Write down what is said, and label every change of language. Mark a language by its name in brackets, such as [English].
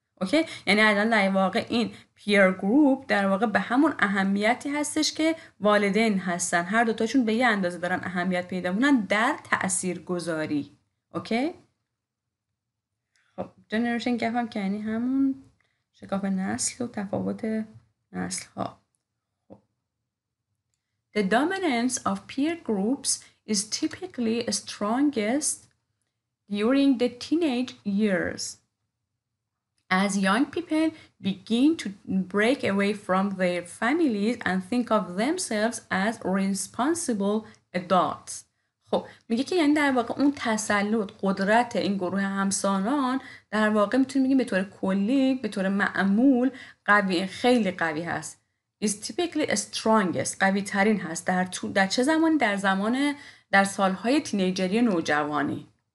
[Persian] اوکی؟ یعنی الان در واقع این peer group در واقع به همون اهمیتی هستش که والدین هستن، هر دوتاشون به یه اندازه دارن اهمیت پیدا مونن در تأثیر گذاری. اوکی؟ خب generation gap هم که یعنی همون شکاف نسل و تفاوت نسل ها. [English] The dominance of peer groups is typically strongest during the teenage years. As young people begin to break away from their families and think of themselves as responsible adults. [Persian] خب میگه که یعنی در واقع اون تسلط قدرت این گروه همسانان در واقع میتونیم بگیم به طور کلی به طور معمول قوی، خیلی قوی هست. [English] is typically strongest، [Persian] قوی ترین هست در تو در چه زمانی؟ در زمان در سالهای تینیجری نوجوانی.